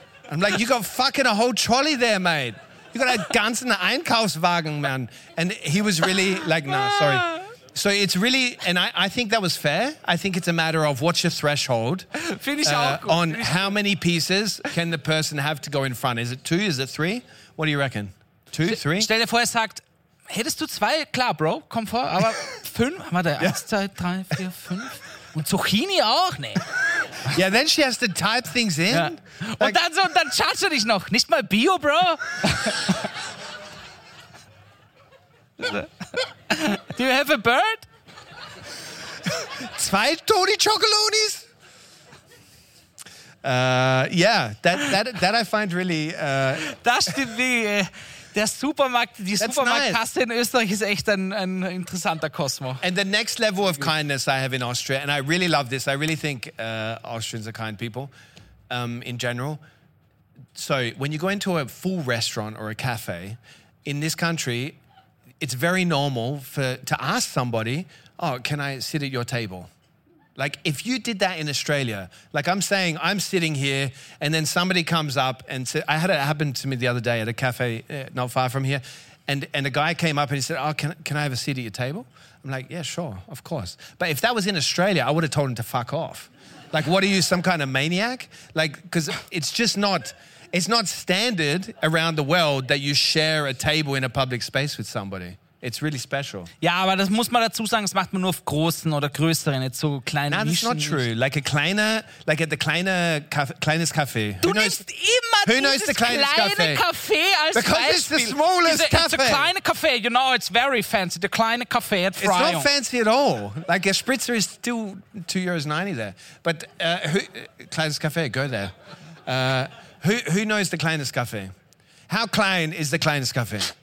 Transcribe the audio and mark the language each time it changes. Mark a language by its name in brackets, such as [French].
[English] I'm like, you got fucking a whole trolley there, mate. You got a [German] ganzen Einkaufswagen, [English] man. And he was really like, nah, sorry. So it's really, and I think that was fair. I think it's a matter of what's your threshold on how many pieces can the person have to go in front? Is it two? Is it three? What do you reckon? Two, three? [German] Stell dir vor, er sagt, hättest du zwei? Klar, Bro, komm vor. Aber fünf? Warte, yeah. eins, zwei, drei, vier, fünf. Und Zucchini auch? Nee. [English] Yeah, then she has to type things in. Yeah. [German] Like, und dann so, dann charge dich noch. Nicht mal Bio, Bro. [English] Do you have a bird? Zwei Tony Chocolonies? Yeah, that I find really... [German] Das stimmt nicht. Der Supermarkt, die Supermarktkasse nice. In Österreich ist echt ein interessanter Kosmo. [English] And the next level of kindness I have in Austria, and I really love this, I really think Austrians are kind people in general. So when you go into a full restaurant or a cafe, in this country... It's very normal to ask somebody, oh, can I sit at your table? Like, if you did that in Australia, like I'm saying, I'm sitting here and then somebody comes up and said, I had it happen to me the other day at a cafe not far from here. And a guy came up and he said, oh, can I have a seat at your table? I'm like, yeah, sure, of course. But if that was in Australia, I would have told him to fuck off. Like, what are you, some kind of maniac? Like, because it's just not... It's not standard around the world that you share a table in a public space with somebody. It's really special. [German] Ja, aber das muss man dazu sagen, das macht man nur auf großen oder größeren, nicht so kleinen Nischen. [English] That's not true. Like a kleiner, like at the [German] kleiner, kleines Café. Du nimmst immer dieses kleine Café als Beispiel. [English] Because it's the smallest Café. It's a [German] kleine Café, [English] you know, it's very fancy. The [German] kleine Café [English] at Freyung. It's not fancy at all. Like a spritzer is still €2.90 there. But [German] kleines Café, [English] go there. Who knows the kleinest cafe? How klein is the kleinest cafe?